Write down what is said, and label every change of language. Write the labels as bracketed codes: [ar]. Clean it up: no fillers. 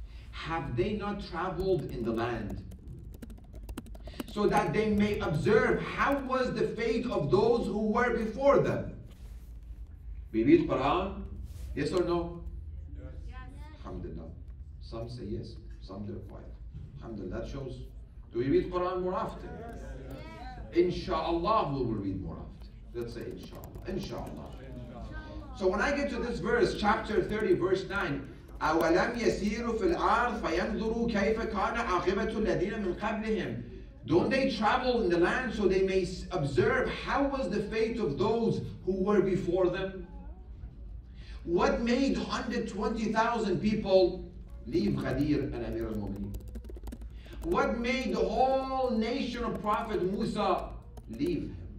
[en] Have they not traveled in the land so that they may observe how was the fate of those who were before them? We read Quran, yes or no? Yes. Alhamdulillah. Some say yes, some they're quiet. Alhamdulillah, that shows. Do we read Quran more often? Yes. Inshallah, we will read more often. Let's say inshallah. Inshallah. So when I get to this verse, chapter 30, verse 9, [ar] أَوَلَمْ يَسِيرُوا فِي الْأَرْضِ فَيَنْظُرُوا كَيْفَ كَانَ عَاقِبَةُ الَّذِينَ مِنْ قَبْلِهِمْ. [en] Don't they travel in the land so they may observe how was the fate of those who were before them? What made 120,000 people leave Ghadir and Amir al-Mu'mineen? What made the whole nation of Prophet Musa leave?